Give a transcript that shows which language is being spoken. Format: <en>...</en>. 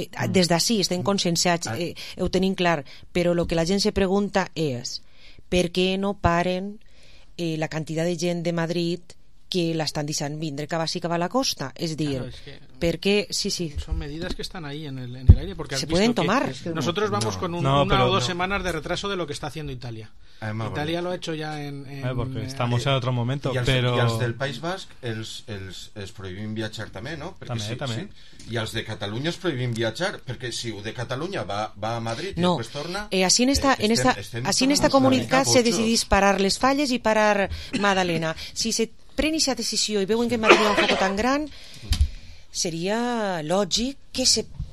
<ca>Des d'ací estem conscienciats, ho tenim clar, però el que la gent se pregunta és per què no paren la quantitat de gent de Madrid que l'estan deixant vindre cap ací, cap a la costa. És a dir, perquè sí. Són mesures que estan ahí en el aire, perquè se poden tomar.</ca> <es>Nosotros vamos con una o dos semanas de retraso de lo que está haciendo Italia. Italia lo ha hecho ya porque estamos en otro momento, pero</es> <ca>y els del País Basc els prohibim viatjar també, no? Perquè i els de Catalunya els prohibim viatjar, perquè si u de Catalunya va a Madrid i després torna. Així en esta comunitat se decidís parar les falles i parar Madalena. Si se pren aquesta decisió i veuen que Madrid és un foc tan gran, seria lògic que se...</ca>